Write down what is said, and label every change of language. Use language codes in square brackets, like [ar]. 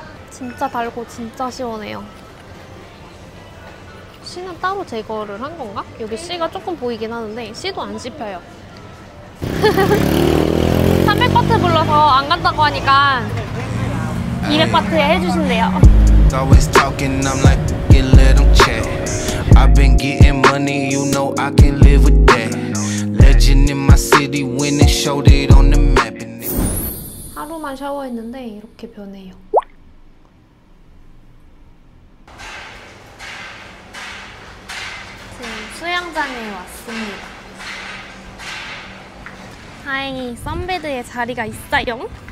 [ko] 진짜 달고 진짜 시원해요. 씨는 따로 제거를 한 건가? 여기 씨가 조금 보이긴 하는데 씨도 안 씹혀요. 300바트 불러서 안 간다고 하니까 200바트에 해주신대요. [en] Always talking, I'm like, let them check. I've been getting money, you know I can live with that. Legend in my city, when it showed it on the map. [ko] 하루만 샤워했는데 이렇게 변해요. 수영장에 왔습니다. 다행히 선베드에 자리가 있어요.